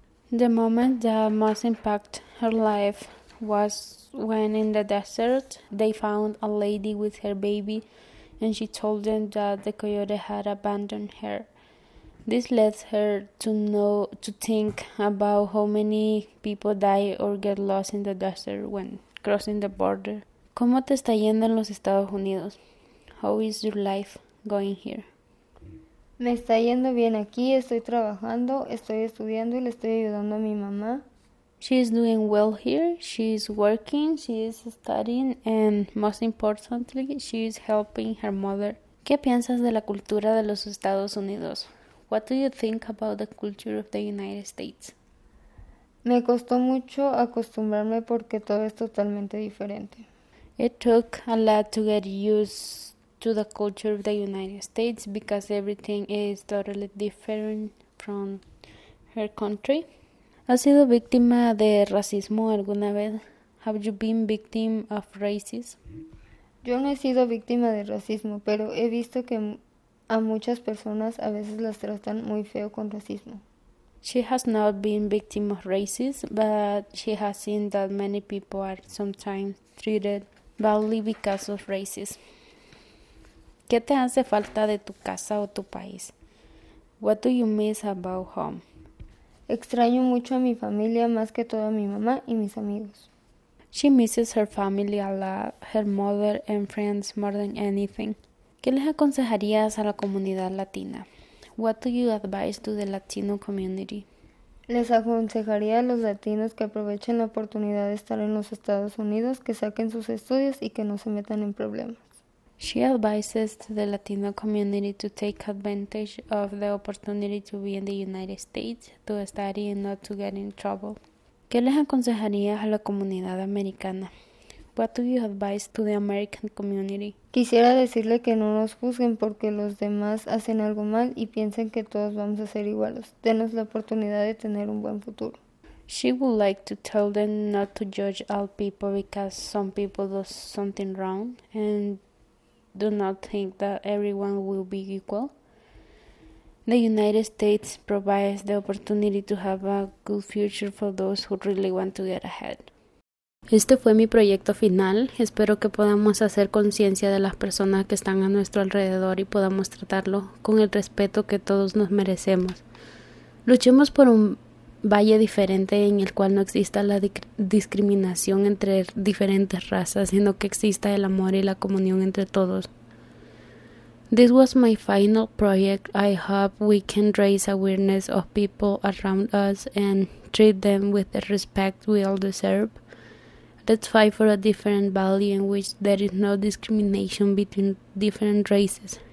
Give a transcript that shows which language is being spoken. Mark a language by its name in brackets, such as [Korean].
[English] The moment that most impacted her life was when in the desert they found a lady with her baby and she told them that the coyote had abandoned her. This led her to think about how many people die or get lost in the desert when crossing the border. [Spanish] ¿Cómo te está yendo en los Estados Unidos? [English] How is your life going here? [Spanish] Me está yendo bien aquí, estoy trabajando, estoy estudiando y le estoy ayudando a mi mamá. [English] She is doing well here, she is working, she is studying, and most importantly, she is helping her mother. [Spanish] ¿Qué piensas de la cultura de los Estados Unidos? [English] What do you think about the culture of the United States? [Spanish] Me costó mucho acostumbrarme porque todo es totalmente diferente. [English] It took a lot to get used to the culture of the United States because everything is totally different from her country. [Spanish] ¿Has sido víctima de racismo alguna vez? [English] Have you been victim of racism? [Spanish] Yo no he sido víctima de racismo, pero he visto que A muchas personas a veces las tratan muy feo con racismo. [English] She has not been victim of racism, but she has seen that many people are sometimes treated badly because of racism. [Spanish] ¿Qué te hace falta de tu casa o tu país? [English] What do you miss about home? [Spanish] Extraño mucho a mi familia, más que todo a mi mamá y mis amigos. [English] She misses her family a lot, her mother and friends more than anything. [Spanish] ¿Qué les aconsejarías a la comunidad latina? [English] What do you advise to the Latino community? [Spanish] Les aconsejaría a los latinos que aprovechen la oportunidad de estar en los Estados Unidos, que saquen sus estudios y que no se metan en problemas. [English] She advises to the Latino community to take advantage of the opportunity to be in the United States, to study and not to get in trouble. [Spanish] ¿Qué les aconsejarías a la comunidad americana? [English] What do you advise to the American community? [Spanish] Quisiera decirle que no nos juzguen porque los demás hacen algo mal y piensen que todos vamos a ser iguales. Denos la oportunidad de tener un buen futuro. [English] She would like to tell them not to judge all people because some people do something wrong and do not think that everyone will be equal. The United States provides the opportunity to have a good future for those who really want to get ahead. [Spanish] Este fue mi proyecto final. Espero que podamos hacer conciencia de las personas que están a nuestro alrededor y podamos tratarlo con el respeto que todos nos merecemos. Luchemos por un valle diferente en el cual no exista la discriminación entre diferentes razas, sino que exista el amor y la comunión entre todos. [English] This was my final project. I hope we can raise awareness of people around us and treat them with the respect we all deserve. Let's fight for a different valley in which there is no discrimination between different races.